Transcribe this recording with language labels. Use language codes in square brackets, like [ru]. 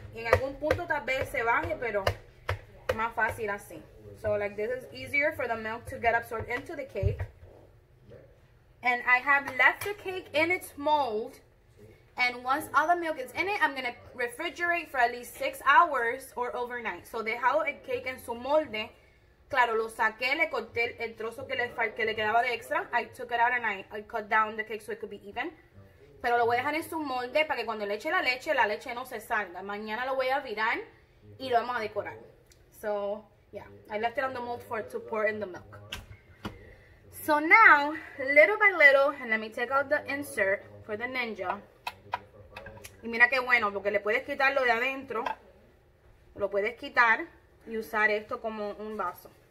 [es] Y en algún punto tal vez se baje, pero más fácil así. [en] So, like, this is easier for the milk to get absorbed into the cake. And I have left the cake in its mold. And once all the milk is in it, I'm gonna refrigerate for at least 6 hours or overnight. [es] So, dejado el cake en su molde. Claro, lo saqué, le corté el trozo que le quedaba de extra. [en] I took it out and I cut down the cake so it could be even. [es] Pero lo voy a dejar en su molde para que cuando le eche la leche no se salga. Mañana lo voy a virar y lo vamos a decorar. [en] So, yeah, I left it on the mold to pour in the milk. So now, little by little, and let me take out the insert. for the ninja. [es] Y mira qué bueno, porque le puedes quitar lo de adentro, lo puedes quitar y usar esto como un vaso.